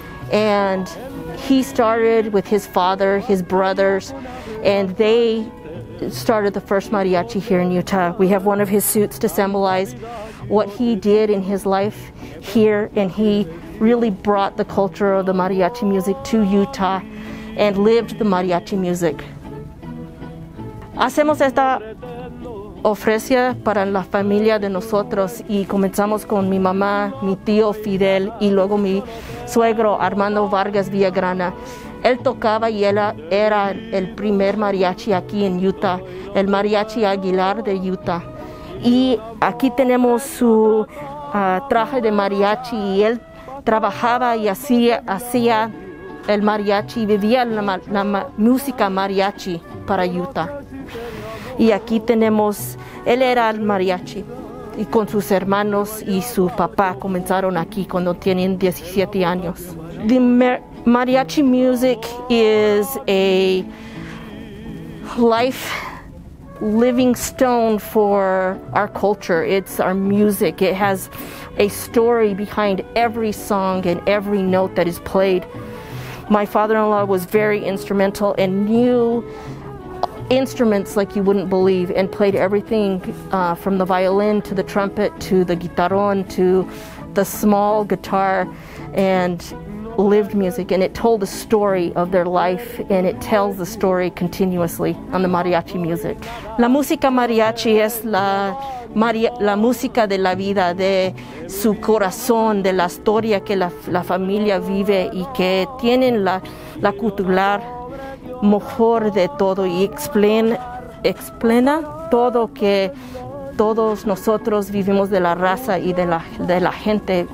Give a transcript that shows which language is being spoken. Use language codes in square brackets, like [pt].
[en] And he started with his father, his brothers, and they started the first mariachi here in Utah. We have one of his suits to symbolize what he did in his life here, and he really brought the culture of the mariachi music to Utah and lived the mariachi music. [es] Hacemos esta ofrenda para la familia de nosotros y comenzamos con mi mamá, mi tío Fidel y luego mi suegro Armando Vargas Villagrana. Él tocaba y era el primer mariachi aquí en Utah, el Mariachi Aguilar de Utah. Y aquí tenemos su traje de mariachi y él trabajaba y hacía el mariachi, vivía la música mariachi para Utah. Y aquí tenemos, él era el mariachi y con sus hermanos y su papá comenzaron aquí cuando tienen 17 años. [en] Mariachi music is a life living stone for our culture. It's our music. It has a story behind every song and every note that is played. My father-in-law was very instrumental and knew instruments like you wouldn't believe and played everything from the violin to the trumpet to the guitarrón to the small guitar and lived music, and it told the story of their life, and it tells the story continuously on the mariachi music. [es] La música mariachi es la música de la vida, de su corazón, de la historia que la familia vive y que tienen la cultura mejor de todo y explena todo que todos nosotros vivimos de la raza y de la gente.